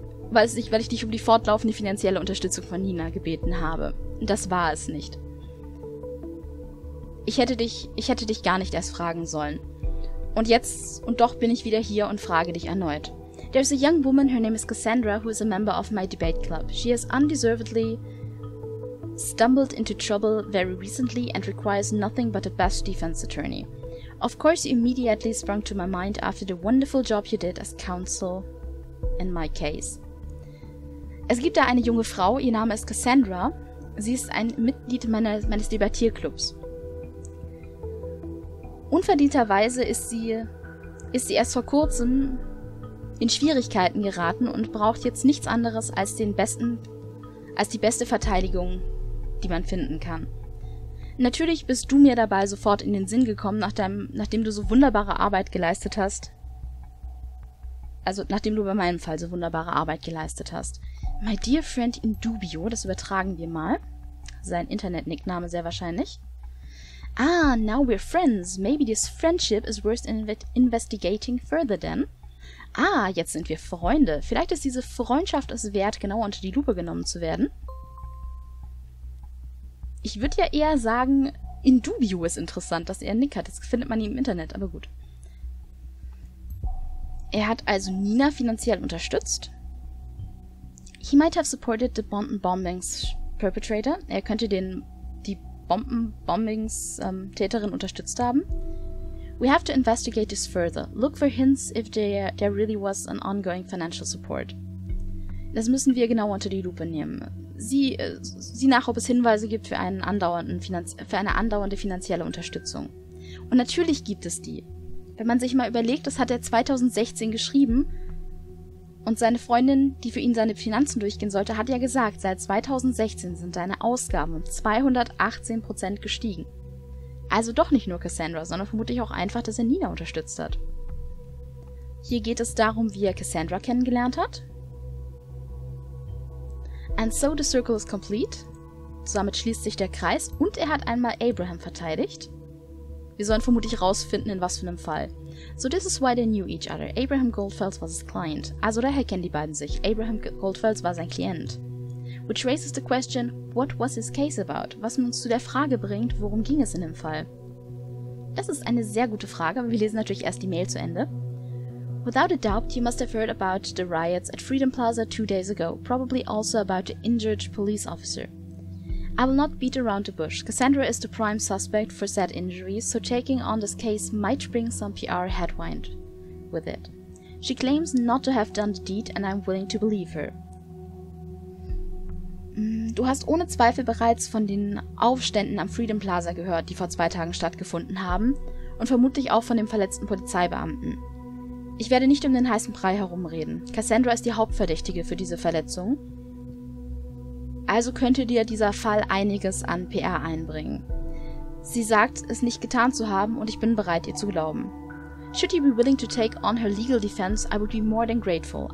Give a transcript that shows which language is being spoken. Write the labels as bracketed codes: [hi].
[de] weil ich dich um die fortlaufende finanzielle Unterstützung von Nina gebeten habe. Das war es nicht. Ich hätte dich gar nicht erst fragen sollen. Und jetzt, und doch bin ich wieder hier und frage dich erneut. [en] There's a young woman, her name is Cassandra, who is a member of my debate club. She has undeservedly stumbled into trouble very recently and requires nothing but a best defense attorney. Of course, you immediately sprung to my mind after the wonderful job you did as counsel in my case. [de] Es gibt da eine junge Frau, ihr Name ist Cassandra. Sie ist ein Mitglied meines Debattierclubs. Unverdienterweise ist sie erst vor kurzem in Schwierigkeiten geraten und braucht jetzt nichts anderes als die beste Verteidigung, die man finden kann. Natürlich bist du mir dabei sofort in den Sinn gekommen, nachdem du so wunderbare Arbeit geleistet hast. Also nachdem du bei meinem Fall so wunderbare Arbeit geleistet hast. [en] My dear friend in dubio, [de] das übertragen wir mal. Sein Internet-Nickname sehr wahrscheinlich. Ah, [en] now we're friends. Maybe this friendship is worth investigating further then. [de] Ah, jetzt sind wir Freunde. Vielleicht ist diese Freundschaft es wert, genauer unter die Lupe genommen zu werden. Ich würde ja eher sagen, in dubio ist interessant, dass er einen Nick hat. Das findet man im Internet, aber gut. Er hat also Nina finanziell unterstützt. [en] He might have supported the Bombings perpetrator. [de] Er könnte die Bombings Täterin unterstützt haben. [en] We have to investigate this further. Look for hints if there really was an ongoing financial support. [de] Das müssen wir genau unter die Lupe nehmen. Sieh nach, ob es Hinweise gibt für eine andauernde finanzielle Unterstützung. Und natürlich gibt es die. Wenn man sich mal überlegt, das hat er 2016 geschrieben. Und seine Freundin, die für ihn seine Finanzen durchgehen sollte, hat ja gesagt, seit 2016 sind deine Ausgaben um 218% gestiegen. Also doch nicht nur Cassandra, sondern vermutlich auch einfach, dass er Nina unterstützt hat. Hier geht es darum, wie er Cassandra kennengelernt hat. [en] And so the circle is complete. [de] Somit schließt sich der Kreis. Und er hat einmal Abraham verteidigt. Wir sollen vermutlich rausfinden, in was für einem Fall. [en] So this is why they knew each other. Abraham Goldfels was his client. [de] Also daher kennen die beiden sich. Abraham Goldfels war sein Klient. [en] Which raises the question, what was his case about? [de] Was uns zu der Frage bringt, worum ging es in dem Fall? Das ist eine sehr gute Frage, aber wir lesen natürlich erst die Mail zu Ende. [en] Without a doubt, you must have heard about the riots at Freedom Plaza 2 days ago, probably also about the injured police officer. I will not beat around the bush. Cassandra is the prime suspect for said injuries, so taking on this case might bring some PR headwind with it. She claims not to have done the deed, and I'm willing to believe her. [de] Du hast ohne Zweifel bereits von den Aufständen am Freedom Plaza gehört, die vor 2 Tagen stattgefunden haben, und vermutlich auch von dem verletzten Polizeibeamten. Ich werde nicht um den heißen Brei herumreden. Cassandra ist die Hauptverdächtige für diese Verletzung. Also könnte dir dieser Fall einiges an PR einbringen. Sie sagt, es nicht getan zu haben und ich bin bereit, ihr zu glauben. [en] Should you be willing to take on her legal defense, I would be more than grateful.